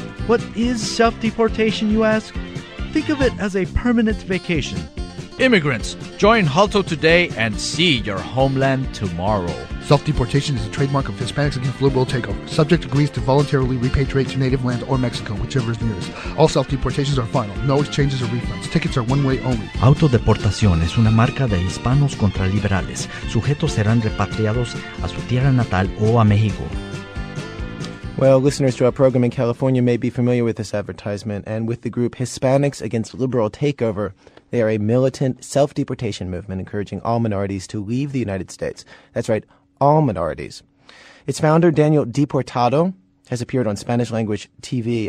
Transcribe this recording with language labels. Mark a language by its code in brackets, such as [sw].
[en] What is self-deportation, you ask? Think of it as a permanent vacation. Immigrants, join HALTO today and see your homeland tomorrow. Self-deportation is a trademark of Hispanics Against Liberal Takeover. Subject agrees to voluntarily repatriate to native land or Mexico, whichever is nearest. All self-deportations are final. No exchanges or refunds. Tickets are one way only. [es] Autodeportación es una marca de hispanos contra liberales. Sujetos serán repatriados a su tierra natal o a México. [en] Well, listeners to our program in California may be familiar with this advertisement and with the group Hispanics Against Liberal Takeover. They are a militant self-deportation movement encouraging all minorities to leave the United States. That's right, all minorities. Its founder, Daniel Deportado, has appeared on Spanish-language TV.